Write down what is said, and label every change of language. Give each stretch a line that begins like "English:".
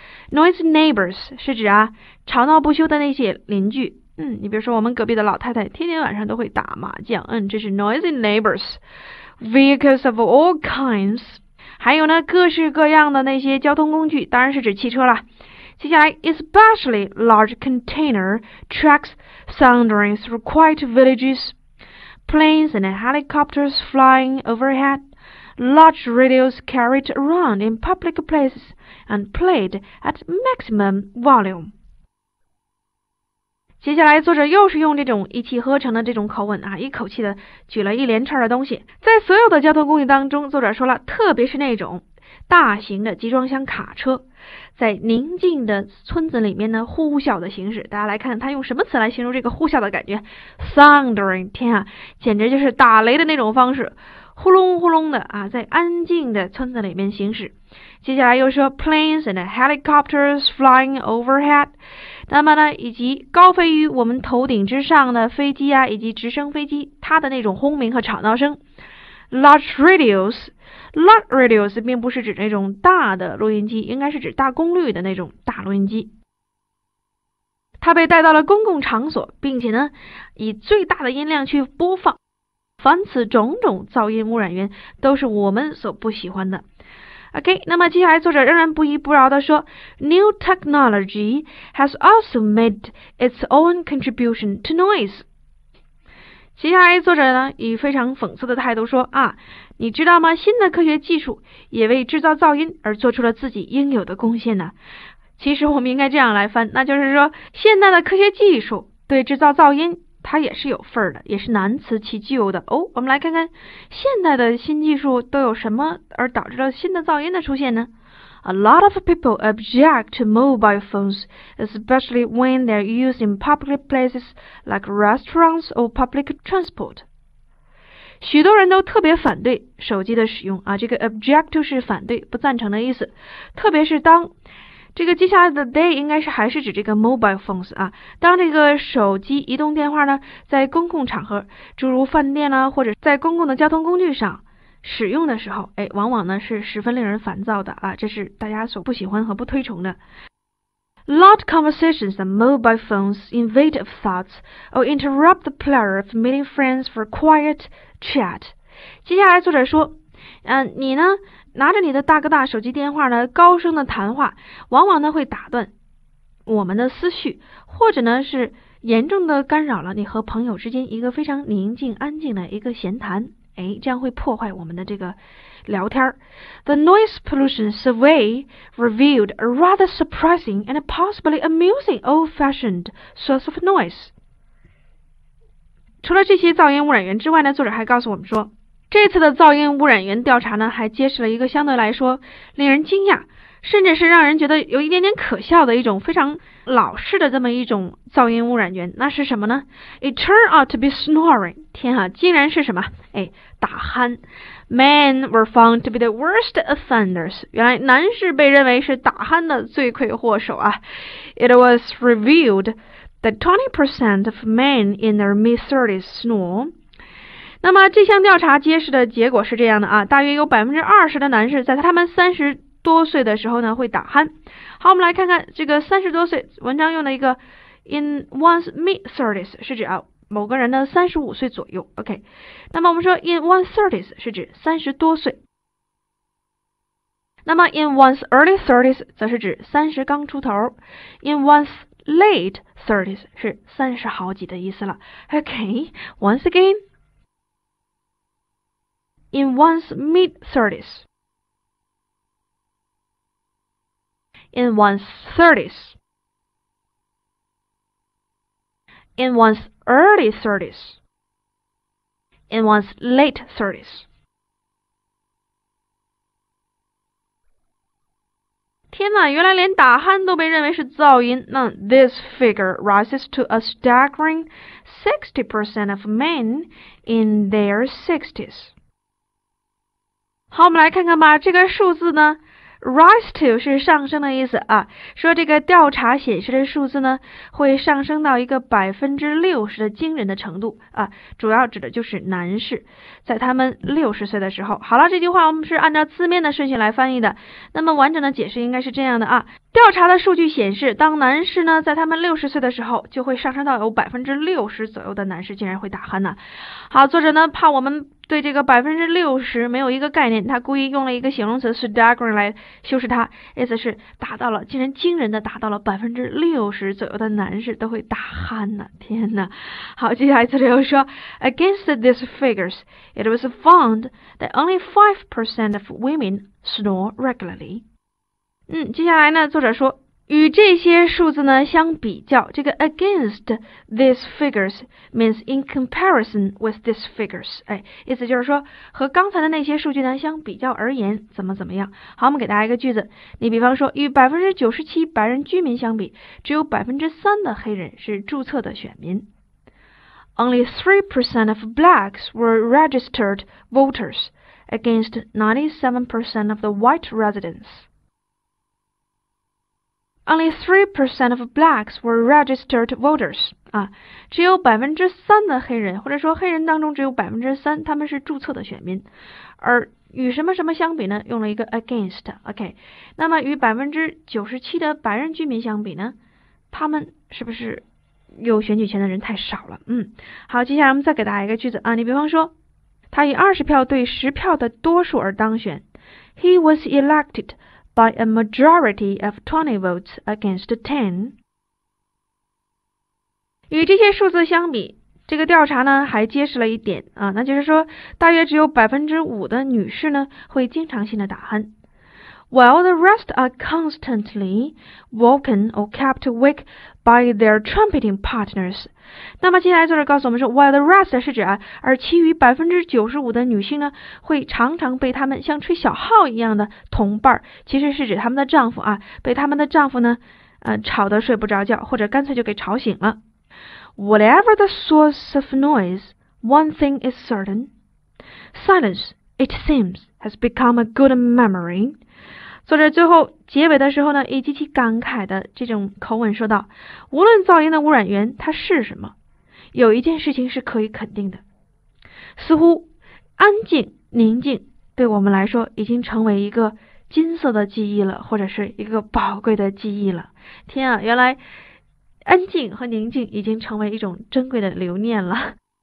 English: noisy neighbors
Chinese: 是指吵闹不休的那些邻居。你比如说我们隔壁的老太太天天晚上都会打麻将，这是
English: noisy neighbors。 vehicles of all kinds。
Chinese: 还有呢各式各样的那些交通工具，当然是指汽车了。接下来
English: especially large container trucks thundering through quiet villages。 Planes and helicopters flying overhead, large radios carried around in public places and played at maximum volume.
Chinese: 接下来作者又是用这种一气呵成的这种口吻一口气的举了一连串的东西。在所有的交通工具当中，作者说了，特别是那种大型的集装箱卡车，在宁静的村子里面呢呼啸的行驶，大家来看他用什么词来形容这个呼啸的感觉 ？Thundering， 天啊，简直就是打雷的那种方式，呼隆呼隆的在安静的村子里面行驶。接下来又说
English: planes and helicopters flying overhead，
Chinese: 那么呢，以及高飞于我们头顶之上的飞机以及直升飞机，它的那种轰鸣和吵闹声 ，
English: large radios。 Large radios
Chinese: 并不是指那种大的录音机，应该是指大功率的那种大录音机。它被带到了公共场所，并且呢，以最大的音量去播放。凡此种种噪音污染源都是我们所不喜欢的。
English: OK，
Chinese: 那么接下来作者仍然不依不饶地说
English: ，New technology has also made its own contribution to noise。
Chinese: 接下来作者呢以非常讽刺的态度说你知道吗，新的科学技术也为制造噪音而做出了自己应有的贡献呢。其实我们应该这样来翻，那就是说现代的科学技术对制造噪音它也是有份儿的，也是难辞其咎的。我们来看看现代的新技术都有什么而导致了新的噪音的出现呢？
English: A lot of people object to mobile phones, especially when they're used in public places like restaurants or public transport.
Chinese: 许多人都特别反对手机的使用这个 object 就是反对不赞成的意思，特别是当这个接下来的 they 应该是还是指这个 mobile phones 当这个手机移动电话呢在公共场合诸如饭店啊或者在公共的交通工具上使用的时候往往呢是十分令人烦躁的这是大家所不喜欢和不推崇的。
English: Loud conversations on mobile phones invade of thoughts or interrupt the pleasure of meeting friends for quiet chat.
Chinese: 接下来作者说你呢拿着你的大哥大手机电话呢高声的谈话往往呢会打断我们的思绪，或者呢是严重的干扰了你和朋友之间一个非常宁静安静的一个闲谈这样会破坏我们的这个聊天。
English: The noise pollution survey revealed a rather surprising and possibly amusing old-fashioned source of noise.
Chinese: 除了这些噪音污染源之外呢，作者还告诉我们说，这次的噪音污染源调查呢，还揭示了一个相对来说令人惊讶，甚至是让人觉得有一点点可笑的一种非常老式的这么一种噪音污染源，那是什么呢 ？
English: It turned out to be snoring.
Chinese: 天啊，竟然是什么？打鼾。
English: Men were found to be the worst offenders.
Chinese: 原来男士被认为是打鼾的罪魁祸首
English: It was revealed that 20% of men in their mid-30s snore.
Chinese: 那么这项调查揭示的结果是这样的大约有20%的男士在他们30多岁的时候呢会打鼾。好，我们来看看这个30多岁，文章用了一个
English: in one's mid thirties
Chinese: 是指某个人的35岁左右。 OK， 那么我们说
English: in one's thirties
Chinese: 是指30多岁，那么
English: in one's early thirties
Chinese: 则是指30刚出头 ，
English: in one'sLate thirties
Chinese: 是30好几的意思了。
English: OK，once again。 In one's mid thirties. In one's thirties. In one's early thirties. In one's late thirties.
Chinese: 天哪，原来连打鼾都被认为是噪音。那
English: this figure rises to a staggering 60% of men in their 60s.
Chinese: 好，我们来看看吧，这个数字呢 ，rise to 是上升的意思啊，说这个调查显示的数字呢，会上升到一个60%的惊人的程度啊，主要指的就是男士，在他们60岁的时候。好了，这句话我们是按照字面的顺序来翻译的，那么完整的解释应该是这样的啊，调查的数据显示，当男士呢在他们60岁的时候，就会上升到有60%左右的男士竟然会打鼾呢。好，作者呢怕我们对这个60%没有一个概念，他故意用了一个形容词 staggering 来修饰它，意思是达到了，竟然惊人的达到了60%左右的男士都会打鼾呢。天哪！好，接下来作者又说
English: ，Against these figures, it was found that only 5% of women snore regularly。
Chinese: 嗯，接下来呢，作者说，与这些数字呢相比较，这个
English: against these figures means in comparison with these figures，
Chinese: 哎，意思就是说和刚才的那些数据呢相比较而言怎么怎么样。好，我们给大家一个句子，你比方说与97%白人居民相比，只有3%的黑人是注册的选民。
English: Only 3% of blacks were registered voters against 97% of the white residents。 Only 3% of blacks were registered voters.
Chinese: 啊，只有3%的黑人，或者说黑人当中只有3%，他们是注册的选民。而与什么什么相比呢？用了一个 against.
English: OK.
Chinese: 那么与97%的白人居民相比呢？他们是不是有选举权的人太少了？嗯，好，接下来我们再给大家一个句子啊。你比方说，他以20票对10票的多数而当选。
English: He was elected. By a majority of 20 votes against 10.
Chinese: 与这些数字相比，这个调查呢还揭示了一点啊，那就是说大约只有5%的女士呢会经常性的打鼾。
English: While the rest are constantly woken or kept awake by their trumpeting partners.
Chinese: 那么接下来作者告诉我们说 ,
English: while the rest
Chinese: 是指啊，而其余95%的女性呢会常常被他们像吹小号一样的同伴，其实是指他们的丈夫啊，被他们的丈夫呢吵得睡不着觉，或者干脆就给吵醒了。
English: Whatever the source of noise, one thing is certain. Silence, it seems, has become a good memory.
Chinese: 作者最后结尾的时候呢，以极其感慨的这种口吻说道，无论噪音的污染源它是什么，有一件事情是可以肯定的，似乎安静宁静对我们来说已经成为一个金色的记忆了，或者是一个宝贵的记忆了。天啊，原来安静和宁静已经成为一种珍贵的留念了。